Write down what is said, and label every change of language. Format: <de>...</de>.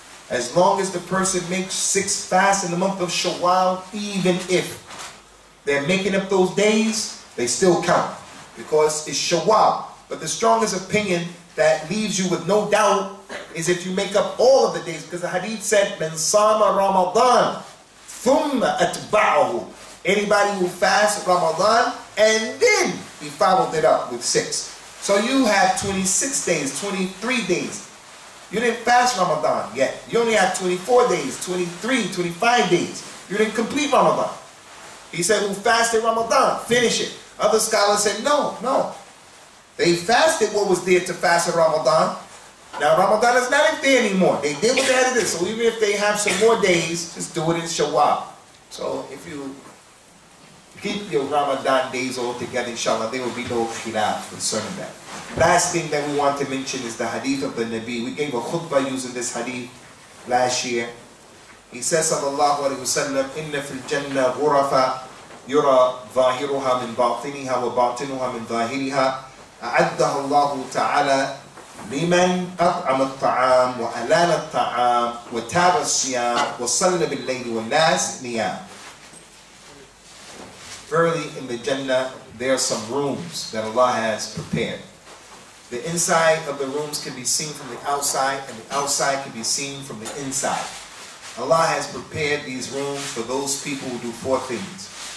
<en>As long as the person makes 6 fasts in the month of Shawwal, even if they're making up those days, they still count. Because it's Shawwal. But the strongest opinion that leaves you with no doubt is if you make up all of the days. Because the hadith said,</en> <ar>من صام رمضان ثم أتبعه.</ar> <en>Anybody who fasts Ramadan, and then he followed it up with 6. So you have 26 days, 23 days. You didn't fast Ramadan yet. You only have 24 days, 23, 25 days. You didn't complete Ramadan. He said, who fasted Ramadan, finish it. Other scholars said, no. They fasted what was there to fast in Ramadan. Now Ramadan is not in there anymore. They did what they had to do. So even if they have some more days, just do it in Shawwal. So if you keep your Ramadan days all together, inshallah, there will be no khilaf concerning that. Last thing that we want to mention is the hadith of the Nabi. We gave a khutbah using this hadith last year. He says,</en> <ar>sallallahu alayhi wa sallam, إِنَّ فِي الْجَنَّةِ غُرَفَ يُرَى ظَاهِرُهَا مِنْ بَاطِنِهَا وَبَاطِنُهَا مِنْ ظَاهِرِهَا أَعَدَّهَ اللَّهُ تَعَالَى لِمَنْ أَطْعَمَ الطَّعَامُ وَأَلَالَ الطَّعَامُ وَتَابَ الصِّيَامُ وَصَلَّ بِاللَّيْلِ وَالنَّاسِ نِيَامُ.</ar> <en>Verily in the Jannah, there are some rooms that Allah has prepared. The inside of the rooms can be seen from the outside, and the outside can be seen from the inside. Allah has prepared these rooms for those people who do 4 things.</en>